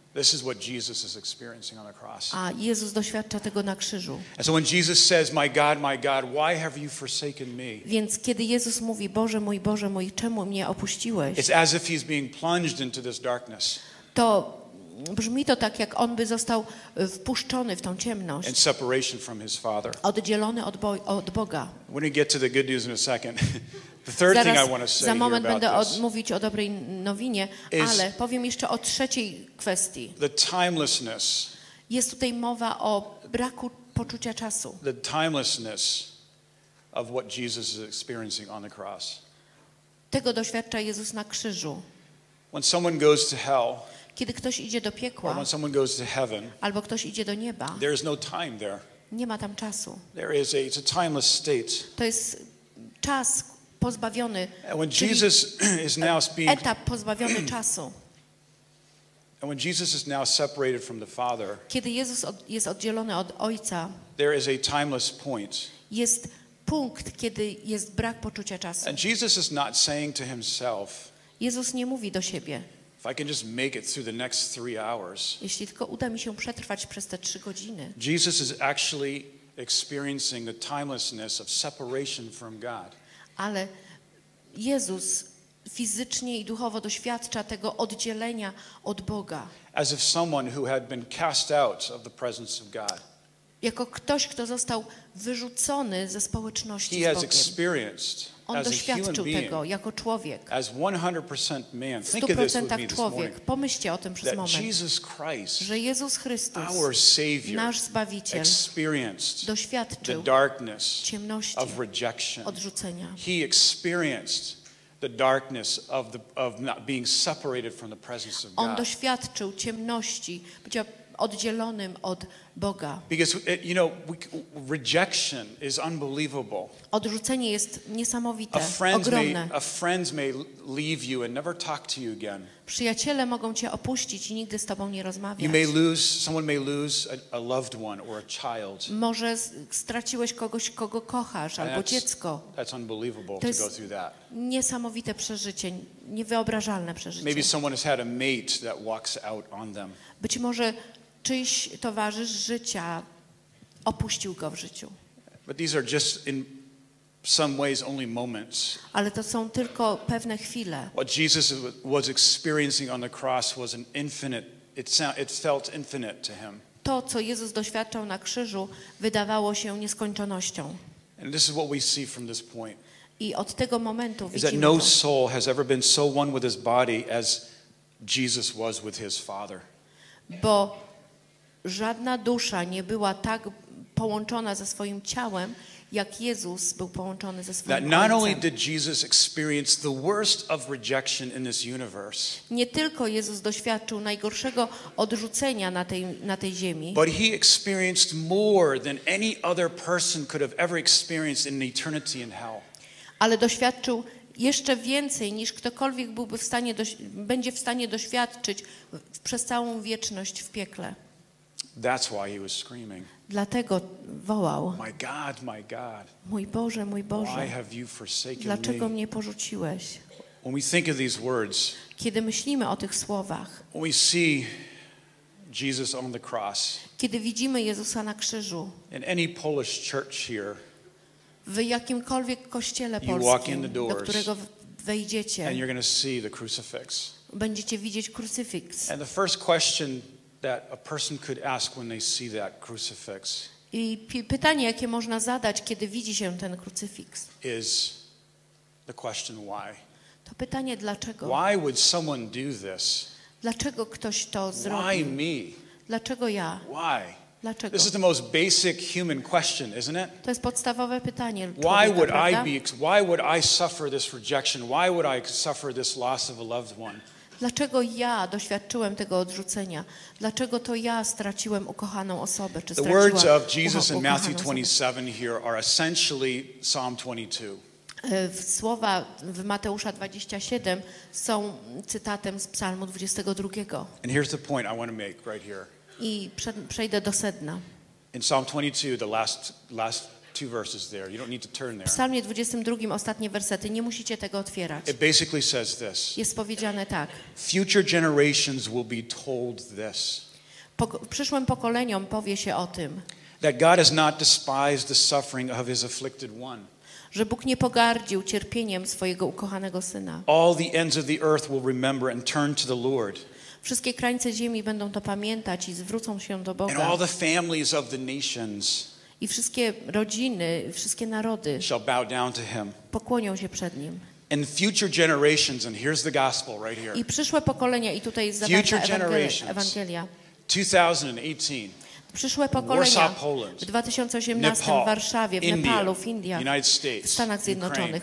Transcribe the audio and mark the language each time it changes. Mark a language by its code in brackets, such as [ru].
[en] This is what Jesus is experiencing on the cross. [pl] A Jezus doświadcza tego na krzyżu. [en] And so when Jesus says, my God, why have you forsaken me? [pl] Więc kiedy Jezus mówi, Boże mój, czemu mnie opuściłeś? [en] It's as if he's being plunged into this darkness. [pl] To brzmi to tak, jak on by został wpuszczony w tą ciemność. [en] And separation from his Father. [pl] Oddzielony od Boga. [en] When we get to the good news in a second. The third [pl] zaraz [en] thing I want to say [pl] za moment [en] here about [pl] będę mówić o dobrej nowinie, ale powiem jeszcze o trzeciej kwestii. [en] The timelessness. [pl] Jest tutaj mowa o braku poczucia czasu. [en] The timelessness of what Jesus is experiencing on the cross. [pl] Tego doświadcza Jezus na krzyżu. [en] When someone goes to hell, [pl] Kiedy ktoś idzie do piekła, [en] or when someone goes to heaven, [pl] albo ktoś idzie do nieba, [en] there is no time there. [pl] Nie ma tam czasu. [en] There is a, it's a timeless state. [pl] To jest czas pozbawiony, [en] and when Jesus is now being, [pl] etap pozbawiony czasu. [en] And when Jesus is now separated from the Father, [pl] kiedy Jezus jest oddzielony od Ojca, [en] there is a timeless point. [pl] Jest punkt, kiedy jest brak poczucia czasu. [en] And Jesus is not saying to himself, [pl] Jezus nie mówi do siebie, [en] if I can just make it through the next 3 hours, [pl] jeśli tylko uda mi się przetrwać przez te 3 godziny. [en] Jesus is actually experiencing the timelessness of separation from God. [pl] Ale Jezus fizycznie i duchowo doświadcza tego oddzielenia od Boga. [en] As if someone who had been cast out of the presence of God. [pl] Jako ktoś, kto został wyrzucony ze społeczności [en] he [pl] z Bogiem. On doświadczył tego jako człowiek. [en] As 100% man. Think of this with me [pl] człowiek. [en] This [pl] pomyślcie o tym przez [en] that [pl] moment. [en] Jesus Christ, [pl] że Jezus Chrystus, [en] our Savior, [pl] nasz Zbawiciel, [en] experienced [pl] doświadczył [en] the darkness [pl] ciemności [en] of rejection. [pl] Odrzucenia. [en] He experienced the darkness of the of not being separated from the presence of God. [pl] On doświadczył ciemności bycia oddzielonym od Boga. [en] Because it, you know, rejection is unbelievable. [pl] Odrzucenie jest niesamowite, [en] a friend may leave you and never talk to you again. [pl] Przyjaciele mogą cię opuścić i nigdy z tobą nie rozmawiać. [en] You may lose, someone may lose a loved one or a child. [pl] Może straciłeś kogoś, kogo kochasz, albo dziecko. [en] That's unbelievable to go through that. [pl] Niesamowite przeżycie, niewyobrażalne przeżycie. [en] Maybe someone has had a mate that walks out on them. [pl] Być może czyjś towarzysz życia opuścił go w życiu. [en] But these are just in some ways only moments. [pl] Ale to są tylko pewne chwile. [en] What Jesus was experiencing on the cross was an infinite, it felt infinite to him. [pl] To, co Jezus doświadczał na krzyżu, wydawało się nieskończonością. [en] And this is what we see from this point. [pl] I od tego momentu [en] is that no soul has ever been so one with his body as Jesus was with his Father. [pl] Bo żadna dusza nie była tak połączona ze swoim ciałem, jak Jezus był połączony ze swoim [en] that [pl] Ojcem. [en] Not only did Jesus experience the worst of rejection in this universe, [pl] nie tylko Jezus doświadczył najgorszego odrzucenia na tej ziemi, [en] but he experienced more than any other person could have ever experienced in eternity in hell. [pl] Ale doświadczył jeszcze więcej niż ktokolwiek byłby w stanie będzie w stanie doświadczyć przez całą wieczność w piekle. [en] That's why he was screaming. [pl] Dlatego wołał. [en] My God, my God. [pl] Mój Boże, [en] why have you forsaken me? [pl] Dlaczego mnie porzuciłeś? [en] When we think of these words, [pl] kiedy myślimy o tych słowach, [en] when we see Jesus on the cross, [pl] kiedy widzimy Jezusa na krzyżu, [en] in any Polish church here, [pl] w jakimkolwiek kościele polskim, do którego wejdziecie, [en] and you're going to see the crucifix. [pl] Będziecie widzieć krucyfix. [en] And the first question that a person could ask when they see that crucifix, [pl] i pytanie, jakie można zadać, kiedy widzi się ten krucyfix, [en] is the question why. [pl] To pytanie dlaczego. [en] Why would someone do this? [pl] Dlaczego ktoś to zrobił? [en] Why me? [pl] Dlaczego ja? [en] Why? [pl] Dlaczego? [en] This is the most basic human question, isn't it? [pl] To jest podstawowe pytanie. [en] Why would [pl] prawda? [en] I be? Why would I suffer this rejection? Why would I suffer this loss of a loved one? [pl] Dlaczego ja doświadczyłem tego odrzucenia? Dlaczego to ja straciłem ukochaną osobę? Czy [en] the words of Jesus in Matthew 27 here are essentially Psalm 22. [pl] Słowa w Mateusza 27 są cytatem z Psalmu 22. [en] And here's the point I want to make right here. [pl] I przejdę do sedna. [en] In Psalm 22, the last two verses there. You don't need to turn there. [pl] W Psalmie 22 ostatnie wersety, nie musicie tego otwierać. [en] It basically says this. [pl] Jest powiedziane tak. [en] Future generations will be told this. [pl] Przyszłym pokoleniom powie się o tym. [en] That God has not despised the suffering of his afflicted one. [pl] Że Bóg nie pogardził cierpieniem swojego ukochanego syna. [en] All the ends of the earth will remember and turn to the Lord. [pl] Wszystkie krańce ziemi będą to pamiętać i zwrócą się do Boga. [en] And all the families of the nations, [pl] i wszystkie rodziny, wszystkie narody, [en] shall bow down to him. [pl] Pokłonią się przed nim. [en] And future generations, and here's the gospel right here. [pl] I przyszłe pokolenia, i tutaj jest [en] future generations, [pl] Ewangelia. [en] 2018. [pl] Przyszłe pokolenia, [en] Warsaw, Poland, [pl] w 2018 [en] Nepal, [pl] w Warszawie, w Nepalu, [en] India, [pl] w Indiach, [en] United States, [pl] w Stanach Zjednoczonych,